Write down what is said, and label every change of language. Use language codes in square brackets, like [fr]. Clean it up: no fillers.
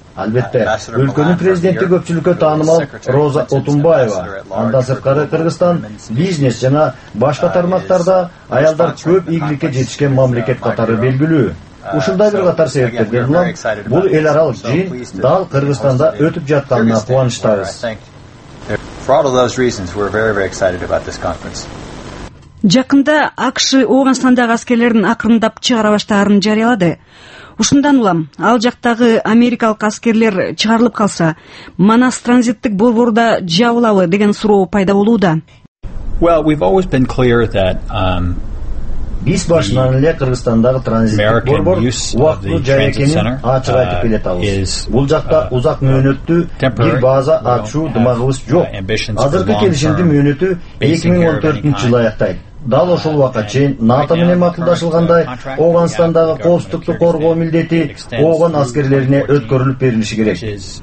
[ky] Албетте, өлкөнүн президенти көпчүлүккө таанымал Роза Отунбаева. Андан сырткары Кыргызстан бизнес жана башка тармактарда аялдар көп ийгиликке жетишкен мамлекет катары белгилүү. Ушундай бир катар себептерге улам бул эл аралык жыйын дал Кыргызстанда өтүп жатканына кубанычтабыз. [en] For all of those reasons, we're very, very excited about this conference. [ky] Жакында АКШ Ооганстандагы аскерлерин акырындап чыгара баштаарын жарыялады. Ушундан улам ал жактагы америкалык аскерлер чыгарылып калса, Манас транзиттик борборда жабылабы деген суроо пайда болууда. [en] Well, we've always been clear that [ky] биз башынан эле Кыргызстандагы транзиттик борбор убактылуу жай экенин ачык айтып келеатабыз. Бул жакта узак мөөнөттүү бир база ачуу дымагыбыз жок. Азыркы келишимдин мөөнөтү 2014 жылы аяктайт. дал ошол убакка чейин НАТО менен макулдашылгандай Ооганстандагы коопсуздукту коргоо милдети Ооган аскерлерине өткөрүлүп берилиши керек.